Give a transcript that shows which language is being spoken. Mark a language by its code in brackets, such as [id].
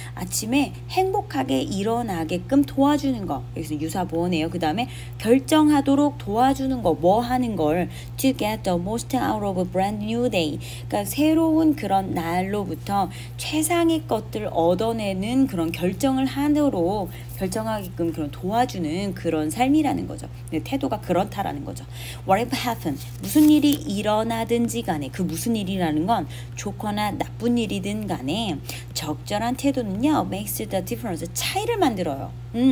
[ko] 아침에 행복하게 일어나게끔 도와주는 거. 여기서 유사보어네요. 그 다음에 결정하도록 도와주는 거. 뭐 하는 걸? [en] To get the most out of a brand new day. [ko] 그러니까 새로운 그런 날로부터 최상의 것들 얻어내는 그런 결정을 하도록, 결정하게끔 그런 도와주는 그런 삶이라는 거죠. 태도가 그렇다라는 거죠. [en] Whatever happens, [ko] 무슨 일이 일어나든지 간에, 그 무슨 일이라는 건 좋거나 나쁜 일이든 간에 적절한 태도는요, [en] makes the difference, [ko] 차이를 만들어요.